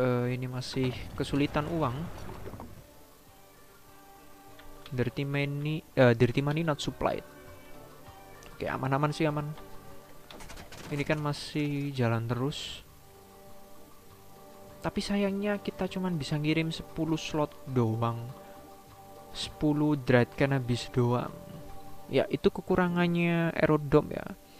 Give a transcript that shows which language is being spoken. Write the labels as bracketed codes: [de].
[id] Ini masih kesulitan uang. [en] Dirty money not supplied. [id] Oke, aman-aman sih, aman. Ini kan masih jalan terus. Tapi sayangnya kita cuman bisa ngirim 10 slot doang. 10 dried cannabis doang. Ya, itu kekurangannya aerodrome ya.